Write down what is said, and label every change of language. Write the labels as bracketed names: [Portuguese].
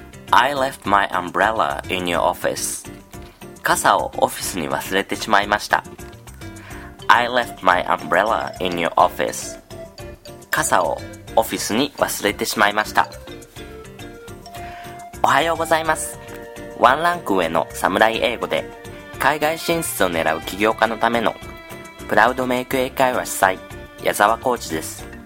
[English] I left my umbrella in your office. [Japanese] 傘をオフィスに忘れてしまいました。 [English] I left my umbrella in your office. [Japanese] 傘をオフィスに忘れてしまいました。おはようございます。ワンランク上のサムライ英語で、海外進出を狙う起業家のための、プラウドメイク英会話主催、矢沢コーチです。